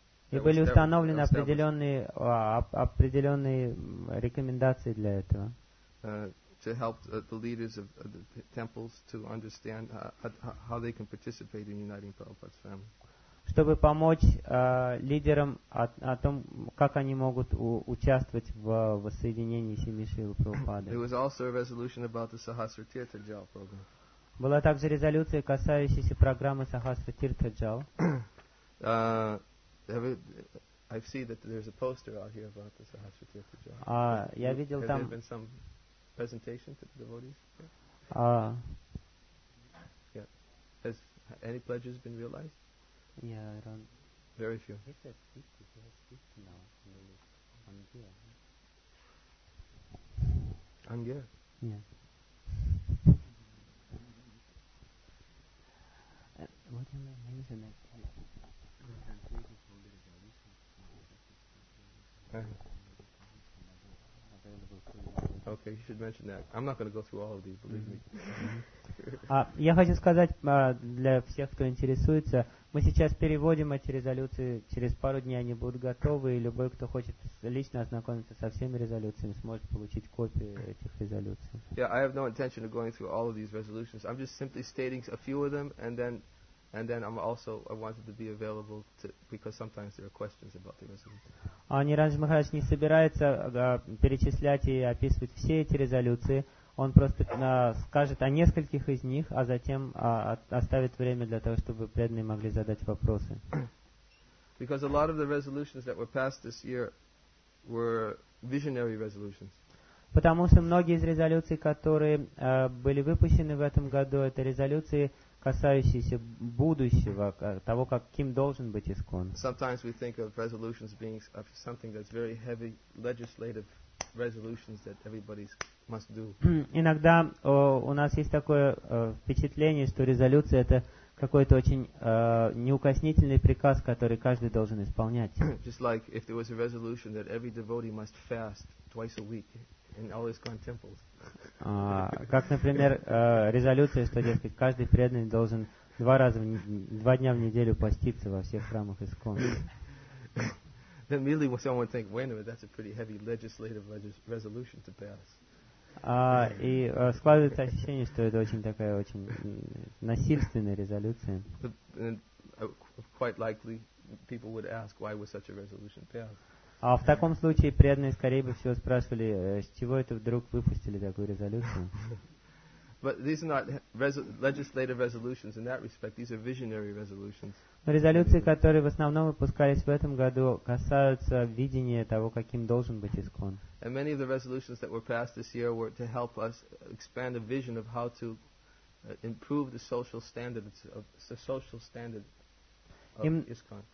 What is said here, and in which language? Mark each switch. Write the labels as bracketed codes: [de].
[ru] И были установлены определенные рекомендации для этого. [en] To help the leaders of the temples to understand how they can participate in uniting Prabhupada's family. [ru] Чтобы помочь лидерам о том, как они могут участвовать в воссоединении семьи Шрилы Прабхупады. [en] There was also a resolution about the Sahasra Tirtha Jal program. [ru] Была также резолюция, касающаяся программы Sahasra Tirtha Jal. [en] I see that there's a poster out here about the Sahasra Tirtha Jal. [ru] Я видел там. [en] Has there been some presentation to the devotees? Has any pledges been realized? Yeah, I don't. Very few. He says 50. He has 50 now. On here. anger. Yeah. What do you mean? What is the next? Okay, you should mention that. I'm not going to go through all of these, believe me. [ru] Я хочу сказать для всех, кто интересуется, мы сейчас переводим эти резолюции, через пару дней они будут готовы, и любой, кто хочет лично ознакомиться со всеми резолюциями, сможет получить копию этих резолюций. [en] Yeah, I have no intention of going through all of these resolutions. I'm just simply stating a few of them, and then I'm also, I wanted to be available to, because sometimes there are questions about the resolutions. [ru] Ниранджа Махарадж не собирается перечислять и описывать все эти резолюции. Он просто скажет о нескольких из них, а затем оставит время для того, чтобы преданные могли задать вопросы. [en] Because a lot of the resolutions that were passed this year were visionary resolutions. [ru] Потому что многие из резолюций, которые были выпущены в этом году, это резолюции, касающиеся будущего, того, каким должен быть ИСККОН. [en] Sometimes we think of resolutions being of something that's very heavy legislative resolutions that everybody must do. [ru] Иногда у нас есть такое впечатление, что резолюция это какой-то очень неукоснительный приказ, который каждый должен исполнять. [en] Just like if there was a resolution that every devotee must fast twice a week in all his ISKCON temples. [ru] Как, например, резолюция, что, дескать, каждый преданный должен два дня в неделю поститься во всех храмах ИСККОН. [en] Then really someone would think, wait a minute, that's a pretty heavy legislative resolution to pass. [ru] Складывается ощущение, что это очень такая очень насильственная резолюция. [en] Quite likely people would ask, why was such a resolution passed? [ru] А в таком случае преданные скорее бы всего спрашивали, с чего это вдруг выпустили такую резолюцию. [en] But these are not legislative resolutions in that respect. These are visionary resolutions. [ru] Резолюции, которые в основном выпускались в этом году, касаются видения того, каким должен быть ИСККОН. [en] And many of the resolutions that were passed this year were to help us expand a vision of how to improve the social standards of the social standard of ISKCON.